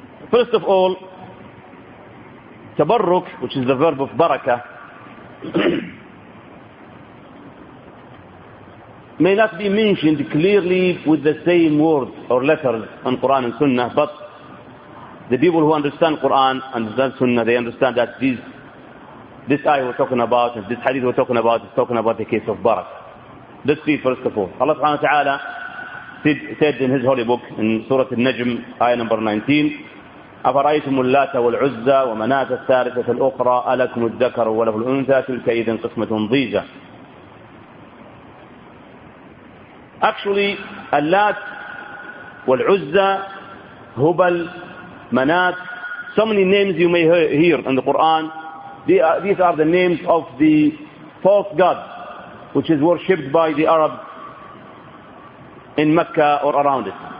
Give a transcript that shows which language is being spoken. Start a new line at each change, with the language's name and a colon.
English: First of all, tabarruk, which is the verb of barakah, may not be mentioned clearly with the same words or letters in Quran and Sunnah, but the people who understand Quran and understand Sunnah, they understand that this ayah we're talking about, this hadith we're talking about, is talking about the case of barakah. Let's see first of all. Allah subhanahu wa ta'ala said in His holy book, in Surah Al-Najm, ayah number 19,
Arabic: أفرأيتم اللات والعزى ومناة الثالثة الأخرى ألكم الذكر وله الأنثى تلك إذا قسمة ضيزى.
English: Actually, اللات والعزى, هبل, مناة, so many names you may hear in the Quran, these are the names of the false gods which is worshipped by the Arabs in Mecca or around it.